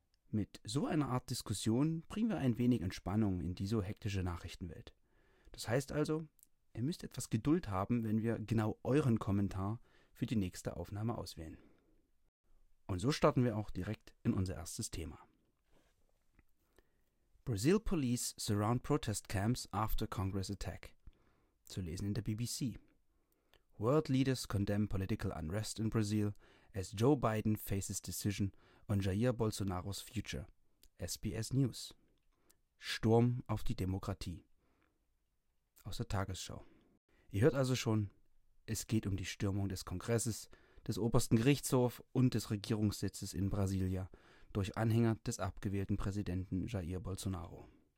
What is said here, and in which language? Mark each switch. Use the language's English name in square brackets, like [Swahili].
[German] Mit so einer Art Diskussion bringen wir ein wenig Entspannung in die so hektische Nachrichtenwelt. Das heißt also, ihr müsst etwas Geduld haben, wenn wir genau euren Kommentar für die nächste Aufnahme auswählen. Und so starten wir auch direkt in unser erstes Thema. [English] Brazil Police surround protest camps after Congress attack. [German] Zu lesen in der BBC. [English] World leaders condemn political unrest in Brazil as Joe Biden faces decision on Jair Bolsonaro's future. SBS News. [German] Sturm auf die Demokratie. Aus der Tagesschau. Ihr hört also schon, es geht um die Stürmung des Kongresses, des obersten Gerichtshofs und des Regierungssitzes in Brasilia durch Anhänger des abgewählten Präsidenten Jair Bolsonaro.